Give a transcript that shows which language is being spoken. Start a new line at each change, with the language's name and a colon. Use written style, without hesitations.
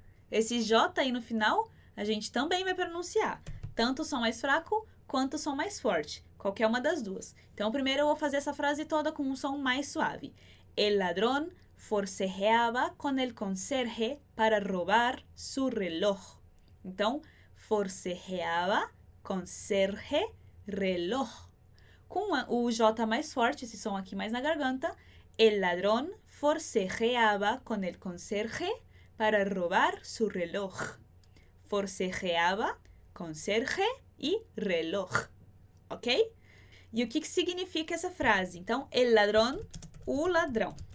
Portuguese: Esse J aí no final, a gente também vai pronunciar. Tanto o som mais fraco, quanto o som mais forte. Qualquer uma das duas. Então, primeiro eu vou fazer essa frase toda com um som mais suave.
Spanish: El ladrón forcejeaba con el conserje para robar su reloj.
Portuguese: Então, forcejeaba, conserje, reloj. Com o J mais forte, esse som aquí mais na garganta.
Spanish: El ladrón forcejeaba con el conserje para robar su reloj. Forcejeaba, conserje y reloj. ¿Ok? ¿Y qué significa esa frase? Entonces, el ladrón, o ladrón.